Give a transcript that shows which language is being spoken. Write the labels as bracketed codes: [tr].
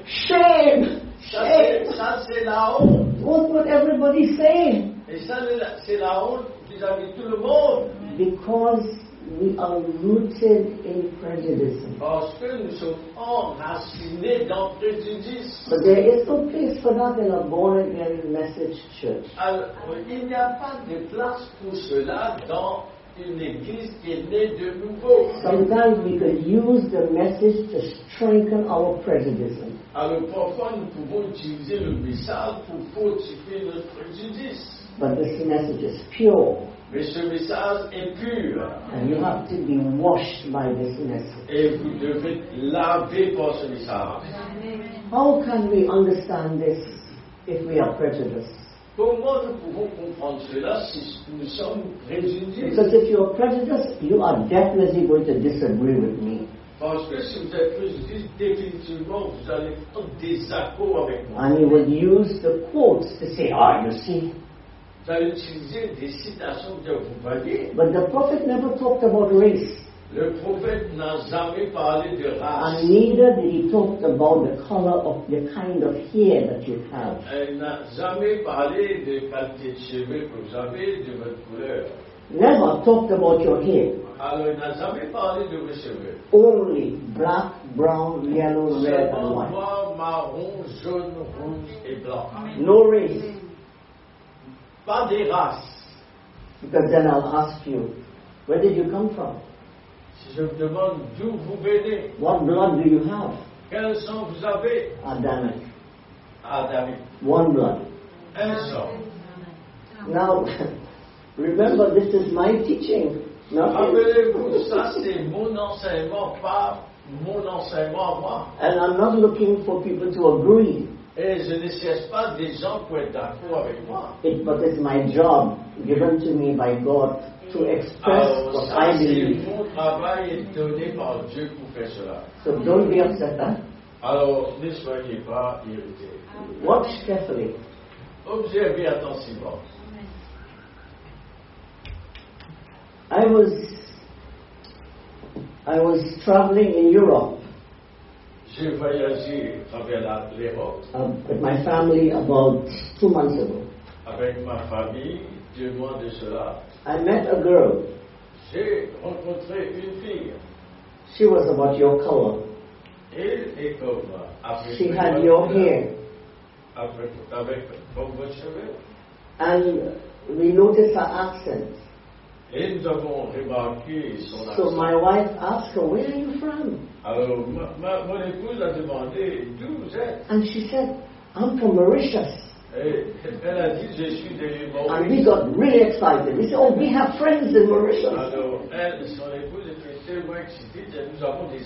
[en] shame, shame. [fr] Ça c'est la honte. [en] What would everybody say? [fr] Et ça c'est la honte vis-à-vis tout le monde. [en] Because we are rooted in prejudice. [fr] Parce que nous sommes enracinés dans le préjudice. [en] But there is no place for that in a born again message church. [fr] Alors, il n'y a pas de place pour cela dans une église qui est née de nouveau. [en] Sometimes we can use the message to strengthen our prejudice. [fr] Alors parfois nous pouvons utiliser le message pour fortifier notre préjudice. [en] But this message is pure. [fr] Mais ce message est pur. [en] And you have to be washed by this message. [fr] Et vous devez laver par ce message. [en] How can we understand this if we are prejudiced? [fr] Comment nous pouvons comprendre cela si nous sommes préjugés? [en] Because if you are prejudiced, you are definitely going to disagree with me. [fr] Parce que si vous êtes préjugés, définitivement vous allez être en désaccord avec moi. [en] And you will use the quotes to say, ah, you see. [fr] Vous allez utiliser des citations que vous voyez. [en] But the prophet never talked about race. [fr] Le prophète n'a jamais parlé de race. [en] And neither did he talk about the color of the kind of hair that you have. [fr] Il n'a jamais parlé de qualité de cheveux que vous avez, de votre couleur. [en] Never talked about your hair. [fr] Alors, il n'a jamais parlé de vos cheveux. [en] Only black, brown, yellow, red, and white. [fr] Noir, marron, jaune, rouge et blanc. [en] No race. [fr] Pas des races. [en] Because then I'll ask you, where did you come from? [fr] Si je vous demande d'où vous venez. [en] What blood do you have? [fr] Quel sang vous avez? [en] Adamic. Adamic. One blood. [fr] Un sang. [en] Now, remember, this is my teaching. [fr] Rappelez-vous, ça c'est mon enseignement, pas mon enseignement moi. [en] And I'm not looking for people to agree. [fr] Et je ne cherche pas des gens pour être d'accord avec moi. [en] It, but it's my job given to me by God to express [fr] alors, [en] what I believe. [fr] C'est mon travail donné par Dieu pour faire cela. [en] So don't be upset. [fr] Alors ne soyez pas irrité. [en] Watch carefully. [fr] Observez attentivement. [en] I was traveling in Europe. [fr] J'ai voyagé travers l'Europe. [en] With my family about 2 months ago. [fr] Avec ma famille 2 mois de cela. [en] I met a girl. [fr] J'ai rencontré une fille. [en] She was about your color. [fr] Elle est comme [en] après. She had your hair. [fr] Avec comme vos cheveux. [en] And we noticed her accent. [fr] Et nous avons remarqué son accent. [en] So my wife asked her, where are you from? [fr] Alors, mon épouse a demandé, d'où vous êtes? [en] And she said, I'm from Mauritius. [fr] Et elle a dit, je suis de Mauritius. [en] And we got really excited. We said, oh, we have friends in Mauritius. [fr] Alors, elle, son épouse était tellement excitée, et nous avons des